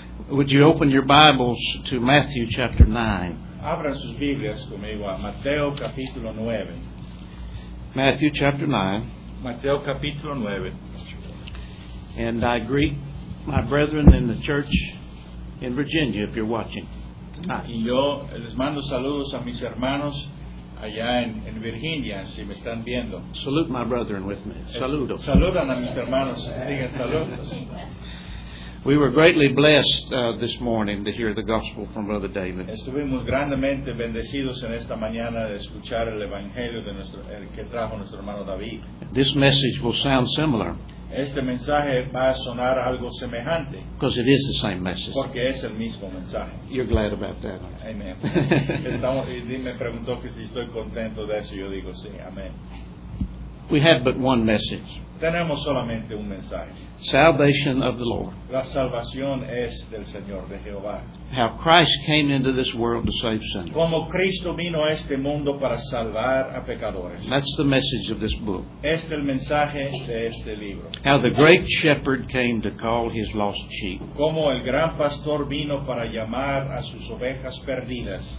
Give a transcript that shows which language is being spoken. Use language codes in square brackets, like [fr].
[en] Would you open your Bibles to Matthew chapter 9? [es] Abra sus Biblias conmigo a Mateo capítulo 9. [en] Matthew chapter 9. [es] Mateo capítulo 9. [en] And I greet my brethren in the church in Virginia, if you're watching. [es] Y yo les mando saludos a mis hermanos allá en Virginia, si me están viendo. [en] Salute my brethren with me. [es] Saludos. Saludan a mis hermanos. Digan saludos. [en] We were greatly blessed this morning to hear the gospel from Brother David. [es] Estuvimos grandemente bendecidos en esta mañana de escuchar el evangelio de nuestro que trajo nuestro hermano David. [en] This message will sound similar. [es] Este mensaje va a sonar algo semejante. [en] Because it is the same message. [es] Porque es el mismo mensaje. [en] You're glad about that. Amen. [es] Me preguntó que si estoy contento de eso. Yo digo sí. Amen. [en] We had but one message. [es] Tenemos solamente un mensaje. [en] Salvation of the Lord. [es] La salvación es del Señor, de Jehová. [en] How Christ came into this world to save sinners. [es] Como Cristo vino a este mundo para salvar a pecadores. [en] That's the message of this book. [es] Este es el mensaje de este libro. [en] How the great shepherd came to call his lost sheep. [es] Como el gran pastor vino para llamar a sus ovejas perdidas.